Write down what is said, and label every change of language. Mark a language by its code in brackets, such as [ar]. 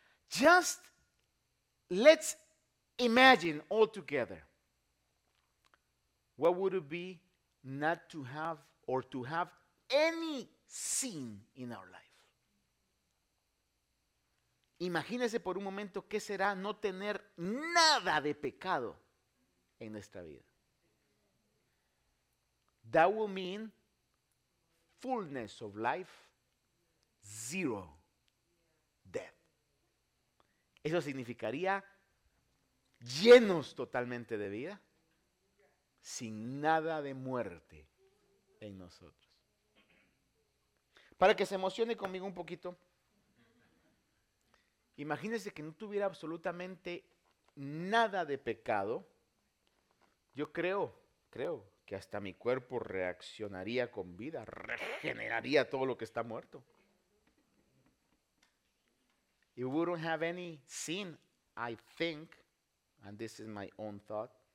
[en] Just let's imagine all together what would it be not to have or to have any sin in our life. [es] Imagínese por un momento qué será no tener nada de pecado en nuestra vida. [en] That will mean fullness of life, zero death. [es] Eso significaría llenos totalmente de vida, sin nada de muerte en nosotros. Para que se emocione conmigo un poquito, imagínese que no tuviera absolutamente nada de pecado, yo creo que hasta mi cuerpo reaccionaría con vida, regeneraría todo lo que está muerto. [en] You wouldn't have any sin, I think, and this is my own thought.